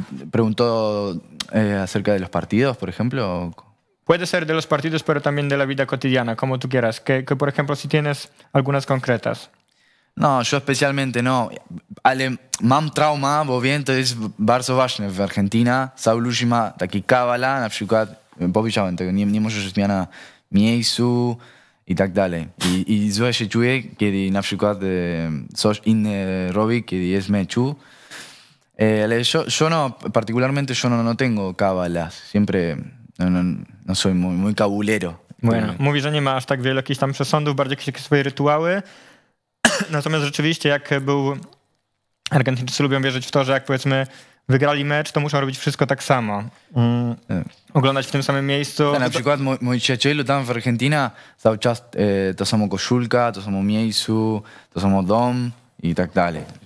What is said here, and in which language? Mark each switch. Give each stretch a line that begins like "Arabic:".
Spanish: Pregunto acerca de los partidos, por ejemplo. Puede ser de los partidos, pero también de la vida cotidiana, como tú quieras. Que por ejemplo, si tienes algunas concretas. No, yo especialmente no.
Polish: Ale mam trauma, bo wiem, to jest bardzo ważne w Argentina. Saulusi ma taki kabala, na przykład... Powiedziałem tego, nie możesz zmiana miejscu i tak dalej. I złe się czuję, kiedy na przykład coś inne robi, kiedy jest meczu. Ale
Spanish: particularmente no tengo cabalas. Siempre no soy muy cabulero.
Polish: Bueno, mówi, że nie ma aż tak wiele jakichś tam przesądów, bardziej jakieś swoje rytuały. Natomiast rzeczywiście, jak był... Argentyńczycy lubią wierzyć w to, że jak powiedzmy wygrali mecz, to muszą robić wszystko tak samo. Oglądać w tym samym miejscu. Na przykład mój przyjaciel tam w Argentina cały czas to samo koszulka, to samo miejscu, to samo dom i tak dalej.